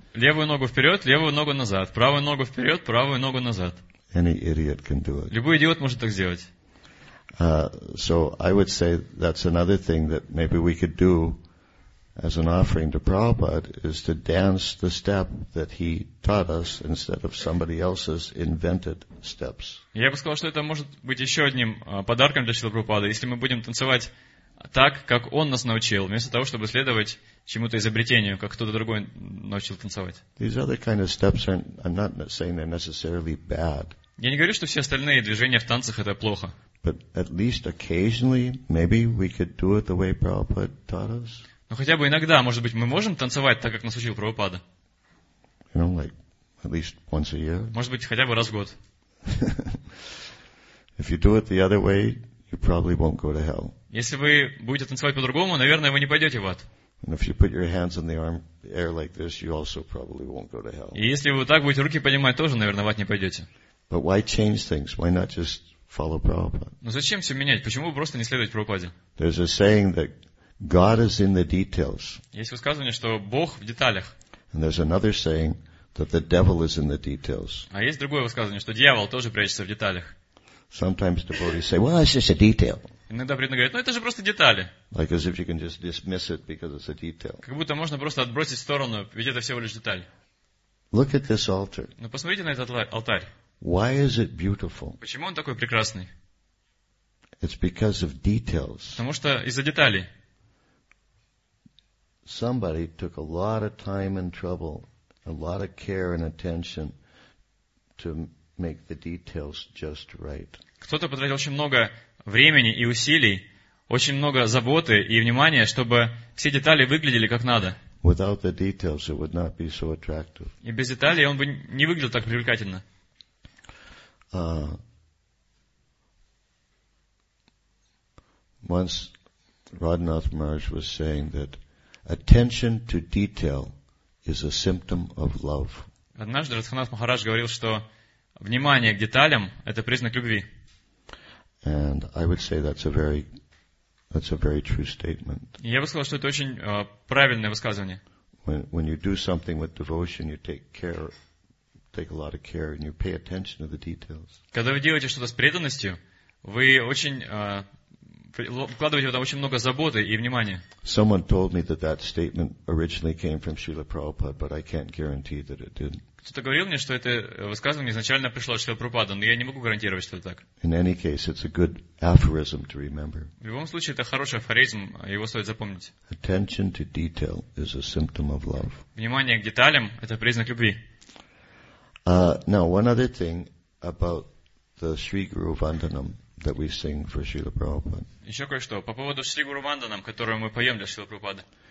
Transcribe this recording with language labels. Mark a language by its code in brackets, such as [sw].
[ru] Левую ногу вперед, левую ногу назад. Правую ногу вперед, правую ногу назад. [en] Any idiot can do it. [ru] Любой идиот может так сделать. [en] So I would say that's another thing that maybe we could do as an offering to Prabhupada is to dance the step that he taught us instead of somebody else's invented steps. [ru] Я бы сказал, что это может быть еще одним подарком для Шрилы Прабхупады, если мы будем танцевать так, как он нас научил, вместо того, чтобы следовать чему-то изобретению, как кто-то другой научил танцевать. [en] These other kind of steps aren't, I'm not saying they're necessarily bad. [ru] Я не говорю, что все остальные движения в танцах это плохо. [en] But at least occasionally, maybe we could do it the way Prabhupada taught us. [ru] Но хотя бы иногда, может быть, мы можем танцевать так, как нас учил Прабхупада? [en] You know, like at least once a year. [ru] Может быть, хотя бы раз в год. [en] If you do it the other way, you probably won't go to hell. [ru] Если вы будете танцевать по-другому, наверное, вы не пойдете в ад. [en] And if you put your hands in the arm air like this, you also probably won't go to hell. [ru] И если вы так будете руки поднимать, тоже, наверное, в ад не пойдете. [en] But why change things? Why not just follow Prabhupada? [ru] Но зачем все менять? Почему просто не следовать Прабхупаде? [en] There's a saying that God is in the details. [ru] Есть высказывание, что Бог в деталях. [en] And there's another saying that the devil is in the details. [ru] А есть другое высказывание, что дьявол тоже прячется в деталях. [en] Sometimes devotees say, "Well, it's just a detail." [ru] Иногда преданные говорят, ну это же просто детали. [en] Like as if you can just dismiss it because it's a detail. [ru] Как будто можно просто отбросить в сторону, ведь это всего лишь деталь. [en] Look at this altar. [ru] Ну посмотрите на этот алтарь. [en] Why is it beautiful? [ru] Почему он такой прекрасный? [en] It's because of details. [ru] Потому что из-за деталей. [en] Somebody took a lot of time and trouble, a lot of care and attention to make the details just right. [ru] Кто-то потратил очень много времени и усилий, очень много заботы и внимания, чтобы все детали выглядели как надо. [en] Without the details, it would not be so attractive. [ru] И без деталей он бы не выглядел так привлекательно. [en] Once Radhanath Maharaj was saying that attention to detail is a symptom of love. [ru] Однажды Радханат Махарадж говорил, что внимание к деталям – это признак любви. [en] And I would say that's a very true statement. [ru] Я бы сказал, что это очень правильное высказывание. [en] When you do something with devotion, you take a lot of care, and you pay attention to the details. [ru] Когда вы делаете что-то с преданностью, вы очень вкладывать в это очень много заботы и внимания. [en] Someone told me that that statement originally came from Srila Prabhupada, but I can't guarantee that it did. [ru] Кто-то говорил мне, что это высказывание изначально пришло от Шрилы Прабхупады, но я не могу гарантировать, что это так. [en] In any case, it's a good aphorism to remember. [ru] В любом случае, это хороший афоризм, его стоит запомнить. [en] Attention to detail is a symptom of love. [ru] Внимание к деталям – это признак любви. [en] Now, one other thing about the Sri Guru Vandanam that we sing for Srila Prabhupada. [ru] Еще кое-что. По поводу Шри Гуру Ванданам, которую мы поем для Шрилы Прабхупады.